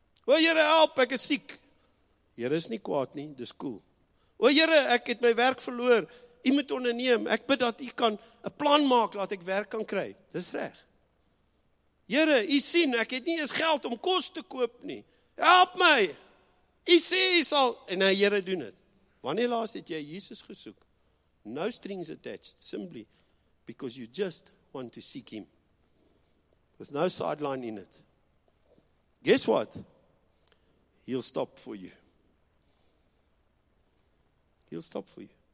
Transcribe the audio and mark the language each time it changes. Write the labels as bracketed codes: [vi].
[af] O Heere, help, ek is siek. Heere is nie kwaad nie, dis cool. O Heere, ek het my werk verloor, u moet onderneem, ek bid dat u kan een plan maak, dat ek werk kan kry, dis reg. Heere, u sien, ek het nie eens geld om kos te koop nie, help my. Hy sê, hy sal, en hy Here doen het. Wanneer laatst het jy Jesus gesoek? [en] No strings attached, simply because you just want to seek him. With no sideline in it. Guess what? He'll stop for you. He'll stop for you.